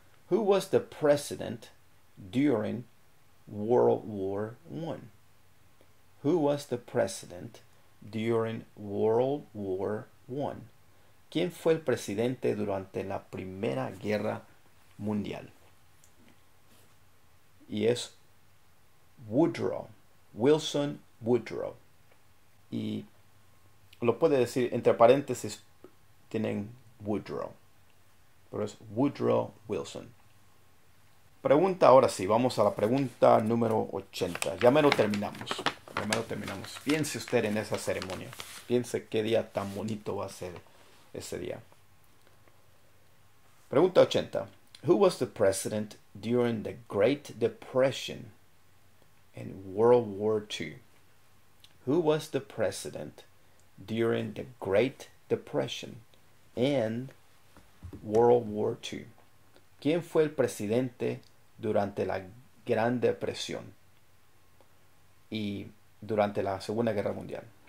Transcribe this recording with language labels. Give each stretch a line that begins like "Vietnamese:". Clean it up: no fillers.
English: Who was the president during World War One? Who was the president during World War One?
Spanish: ¿Quién fue el presidente durante la Primera Guerra Mundial? Y es Woodrow, Wilson Woodrow. Y lo puede decir entre paréntesis, tienen Woodrow, pero es Woodrow Wilson. Pregunta, ahora sí, vamos a la pregunta número 80. Ya mero terminamos, ya mero terminamos. Piense usted en esa ceremonia, piense qué día tan bonito va a ser ese día. Pregunta 80.
English: Who was the president during the Great Depression in World War II? Who was the president during the Great Depression and World War II?
Spanish: ¿Quién fue el presidente durante la Gran Depresión y durante la Segunda Guerra Mundial?